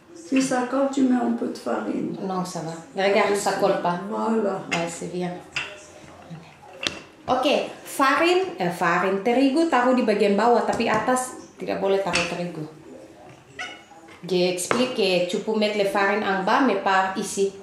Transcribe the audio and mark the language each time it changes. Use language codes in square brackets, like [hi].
[fr] Si ça colle, tu mets un peu de farine. Non, ça va. Regarde, ça colle pas. Voilà. Ouais, c'est bien. Ok, farine, [id] terigu taruh di bagian bawah, tapi atas tidak boleh taruh terigu. [fr] J'ai expliqué, tu peux mettre le farine en bas, mais pas ici.